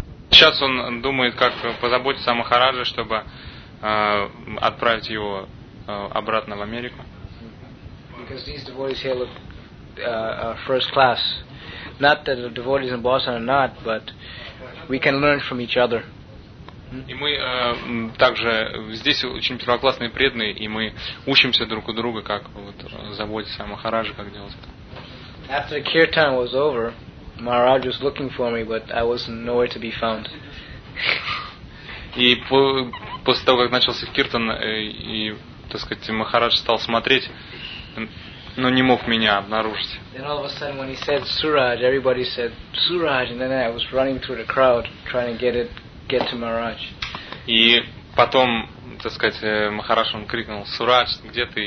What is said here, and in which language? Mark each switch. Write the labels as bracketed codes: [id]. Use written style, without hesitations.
[ru] Сейчас он думает, как позаботиться о Махарадже, чтобы отправить его обратно в Америку. [en] Because these devotees here look first class. Not that the devotees in Boston are not, but we can learn from each other. [ru] И мы также здесь очень первоклассные преданные, и мы учимся друг у друга, как вот заботиться о Махарадже, как делать это. [en] After the kirtan was over, Maharaj was looking for me, but I was nowhere to be found. [ru] И после того, как начался киртан, и так сказать, Махарадж стал смотреть, но не мог меня обнаружить. [en] Then all of a sudden, when he said Suraj, everybody said Suraj, and then I was running through the crowd trying to get to Maharaj. [ru] И потом, так сказать, Махарадж он крикнул: Сурадж, где ты?